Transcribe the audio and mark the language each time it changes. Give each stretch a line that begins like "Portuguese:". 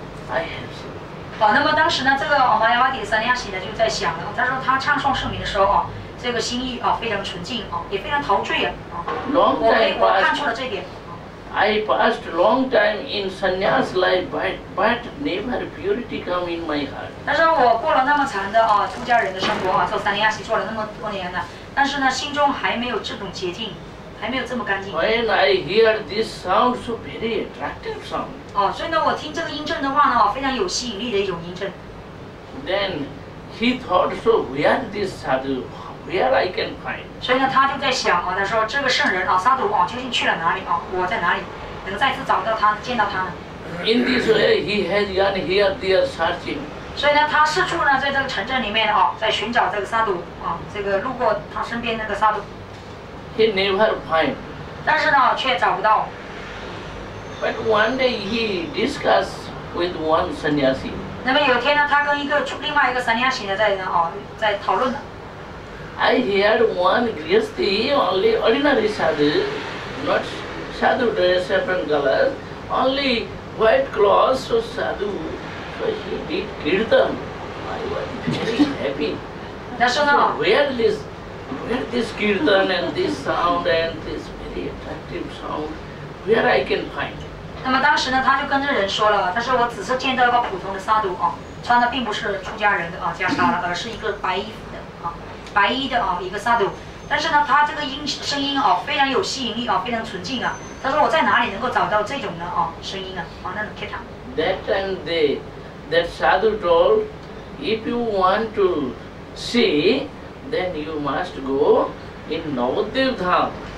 English: I have.
Chinese: 那么当时呢，这个玛雅瓦迪的三亚西呢就在想了，他说他唱诵圣名的时候这个心意非常纯净也非常陶醉啊。
English: Long time passed,
Chinese: 我看出了这点。
English: I passed long time in sannyas life, but never purity come in my heart.
Chinese: 他说我过了那么长的出家人的生活做三亚西做了那么多年了，但是呢，心中还没有这种洁净，还没有这么干净。
English: When I hear this sound, so very attractive sound.
Chinese: 所以呢，我听这个音阵的话呢，非常有吸引力的一种音阵。
English: Then he thought, so where this sadhu, where I can find?
Chinese: 所以呢，他就在想他说这个圣人sadhu究竟去了哪里我在哪里能再次找到他，见到他呢
English: ？In this way, he has gone here, there searching.
Chinese: 所以呢，他四处呢，在这个城镇里面在寻找这个sadhu这个路过他身边那个sadhu。
English: He never find.
Chinese: 但是呢，却找不到。
English: But one day he discussed with one sannyasi.
Chinese: 那么有天呢，他跟另外一个 sannyasi 呢在讨论呢。
English: I heard one grihasthi only ordinary sadhu, not sadhu dress different color, only white cloth so sadhu, so he did kirtan. I was very happy. That's so where this kirtan and this sound and this very attractive sound, where I can find?
Chinese: 那么当时呢，他就跟这人说了，他说我只是见到一个普通的沙都穿的并不是出家人的袈裟，而是一个白衣服的白衣的一个沙都。但是呢，他这个声音非常有吸引力非常纯净他说我在哪里能够找到这种的声音那种 Kita。
English: That and that sadhu told, if you want to see, then you must go in Navadvip Dham.